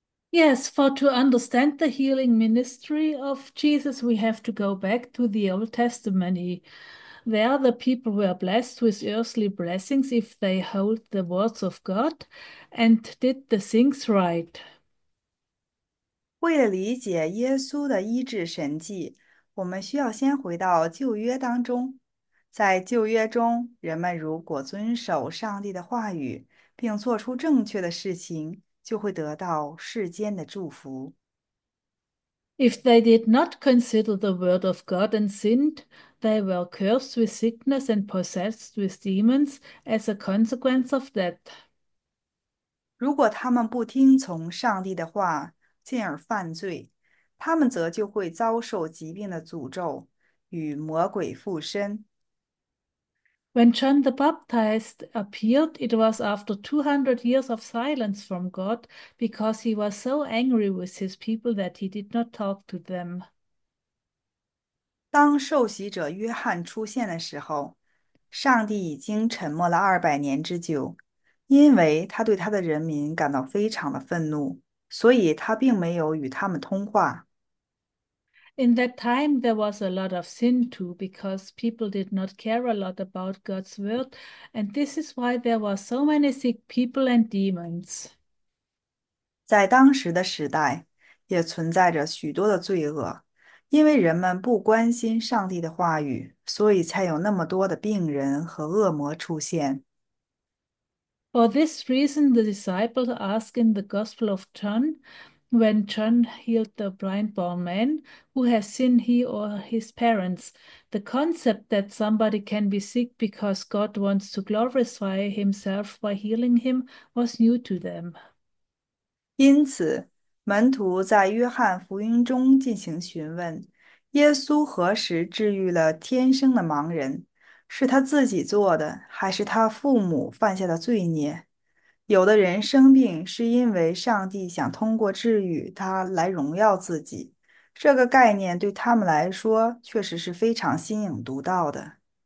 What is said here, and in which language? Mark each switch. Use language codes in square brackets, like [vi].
[en] Yes, for to understand the healing ministry of Jesus, we have to go back to the Old Testament. There, the people were blessed with earthly blessings if they hold the words of God and did the things right. [zh] 为了理解耶稣的医治神迹，我们需要先回到旧约当中。在旧约中，人们如果遵守上帝的话语，并做出正确的事情，就会得到世间的祝福。 [en] If they did not consider the word of God and sinned, they were cursed with sickness and possessed with demons as a consequence of that. [zh] 如果他们不听从上帝的话，进而犯罪，他们则就会遭受疾病的诅咒，与魔鬼附身。 [en] When John the Baptist appeared, it was after 200 years of silence from God because he was so angry with his people that he did not talk to them. [zh] 当受洗者约翰出现的时候，上帝已经沉默了200年之久，因为他对他的人民感到非常的愤怒。所以他并没有与他们通话。 [en] In that time, there was a lot of sin too, because people did not care a lot about God's word, and this is why there were so many sick people and demons. [zh] 在当时的时代，也存在着许多的罪恶，因为人们不关心上帝的话语，所以才有那么多的病人和恶魔出现。 [en] For this reason, the disciples ask in the Gospel of John, When John healed the blind bald man who has seen he or his parents, the concept that somebody can be sick because God wants to glorify himself by healing him was new to them. [zh] 因此，门徒在约翰福音中进行询问：耶稣何时治愈了天生的盲人？是他自己做的，还是他父母犯下的罪孽？有的人生病是因为上帝想通过治愈他来荣耀自己，这个概念对他们来说确实是非常新颖独到的。